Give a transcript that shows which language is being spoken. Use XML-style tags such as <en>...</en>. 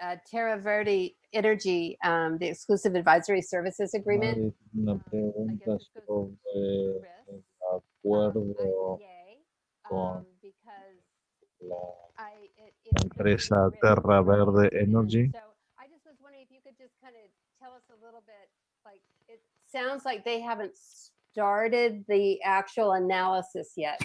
<en>Terra Verde Energy, the exclusive advisory services agreement.</en> <es>Una pregunta sobre el acuerdo con la empresa Terra Verde Energy.</es> <en>So I just was wondering if you could just kind of tell us a little bit, like, it sounds like they haven't started the actual analysis yet.</en>